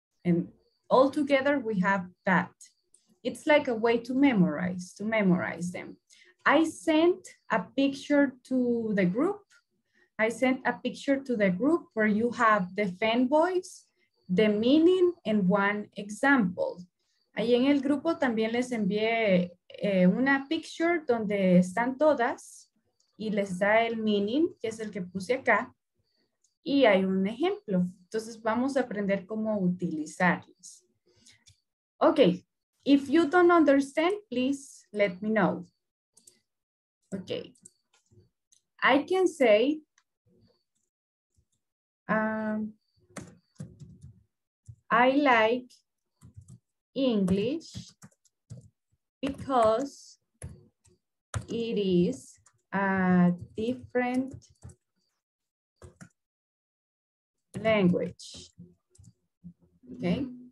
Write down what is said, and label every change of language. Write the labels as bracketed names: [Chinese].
[English] And all together we have that. It's like a way to memorize them. I sent a picture to the group where you have the fan voice, the meaning, and one example. [Spanish] Ahí en el grupo también les envié una picture donde están todas y les da el meaning, que es el que puse acá, y hay un ejemplo. Entonces vamos a aprender cómo utilizarlos. [English] Okay, if you don't understand, please let me know. Okay, I can say, I like English because it is a different language, okay?